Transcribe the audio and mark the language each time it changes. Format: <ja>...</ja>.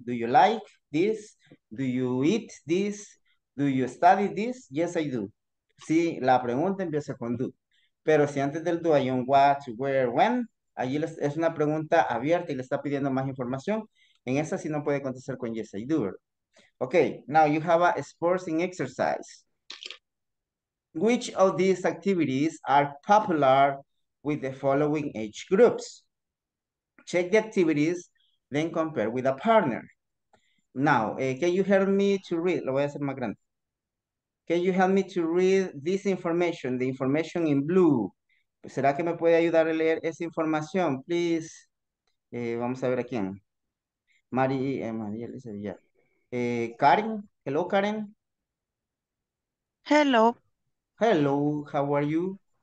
<en>Do you like this? Do you eat this? Do you study this? Yes, I do.</en> <es>Sí, la pregunta empieza con do. Pero si antes del do hay un what, where, when, Allí es una pregunta abierta y le está pidiendo más información. En esa sí no puede contestar con</es> <en>yes, I do. Ok, now you have a sports and exercise. Which of these activities are popular with the following age groups? Check the activities, then compare with a partner. Now, can you help me to read?</en> <es>Lo voy a hacer más grande.</es> <en>Can you help me to read this information, the information in blue?</en> <es>¿Será que me puede ayudar a leer esa información,</es> <en>please?</en> <es>Vamos a ver a quién. María Elizabeth. Yeah.</es> <en>Karen, hello, Karen. Hello. Hello, how are you?</en>